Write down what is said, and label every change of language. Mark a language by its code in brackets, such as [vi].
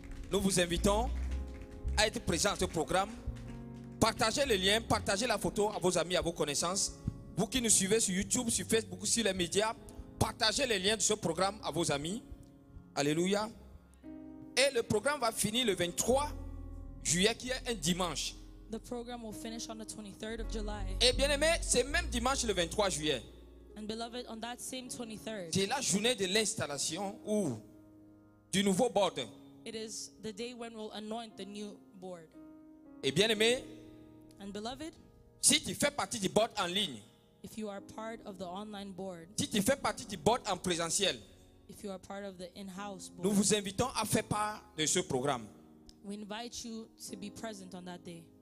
[fr] Nous vous invitons à être présent à ce programme. Partagez le lien, partagez la photo à vos amis, à vos connaissances. Vous qui nous suivez sur YouTube, sur Facebook, sur les médias, partagez le lien de ce programme à vos amis. Alléluia. Et le programme va finir le 23 juillet, qui est un dimanche. [en] The program will finish on the 23rd of July. [fr] Et bien aimé, c'est même dimanche le 23 juillet. [en] And beloved, on that same 23rd. [fr] C'est la journée de l'installation ou du nouveau board [en] It is the day when we'll anoint the new board. [fr] Et bien aimé, [en] and beloved, [fr] si tu fais partie du board en ligne, [en] if you are part of the online board, [fr] si tu fais partie du board en présentiel, [en] if you are part of the in-house board, [fr] nous vous invitons à faire part de ce programme. [en] We invite you to be present on that day.